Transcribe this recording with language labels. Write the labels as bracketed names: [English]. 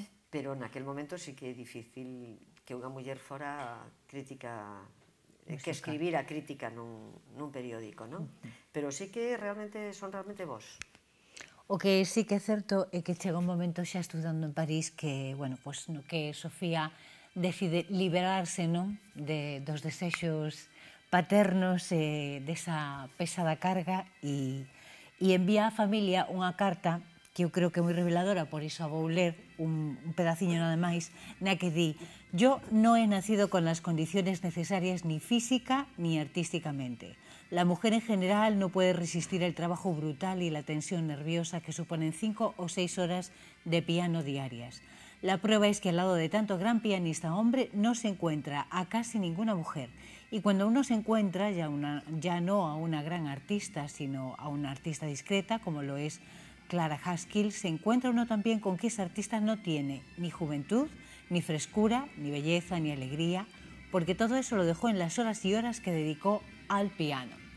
[Galician] Pero naquel momento sí que é difícil que unha muller fora crítica, que escribir a crítica nun periódico, non? Pero sí que realmente son realmente vos. O que sí que é certo é que chega un momento xa estudando en París que, bueno, pues, no que Sofía decide liberarse, non, dos desexos paternos, desa pesada carga, e envía á familia unha carta que eu creo que é moi reveladora, por iso a vou ler un pedaciño nada máis, na que di: [Spanish] "Yo no he nacido con las condiciones necesarias ni física ni artísticamente. La mujer en general no puede resistir el trabajo brutal y la tensión nerviosa que suponen 5 o 6 horas de piano diarias. La prueba es que al lado de tanto gran pianista hombre no se encuentra a casi ninguna mujer. Y cuando uno se encuentra ya no a una gran artista, sino a una artista discreta, como lo es Clara Haskell, se encuentra uno también con que esa artista no tiene ni juventud, ni frescura, ni belleza, ni alegría, porque todo eso lo dejó en las horas y horas que dedicó al piano".